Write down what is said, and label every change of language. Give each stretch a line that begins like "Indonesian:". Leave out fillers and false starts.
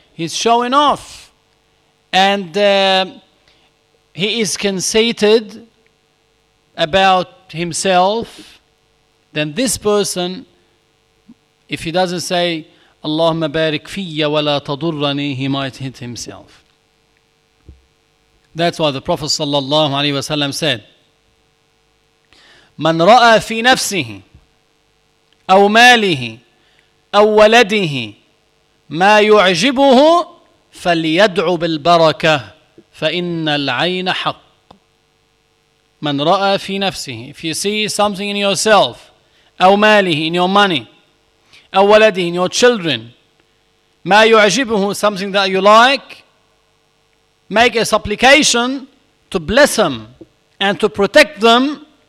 English: He's showing off. And he is conceited about himself. Then this person, if he doesn't say,
Arabic: Allahumma barik fiyya wa la tadurrani,
English: he might hit himself. That's why the Prophet
Arabic: sallallahu alaihi wasallam said, من رأى في نفسه أو ماله أو ولده ما يعجبه فليدعو بالبركة فإن العين حق. من رأى في نفسه,
English: if you see something in yourself,
Arabic: أو ماله,
English: in your money,
Arabic: أو ولده,
English: in your children,
Arabic: ما يعجبه,
English: something that you like, make a supplication to bless them and to protect them.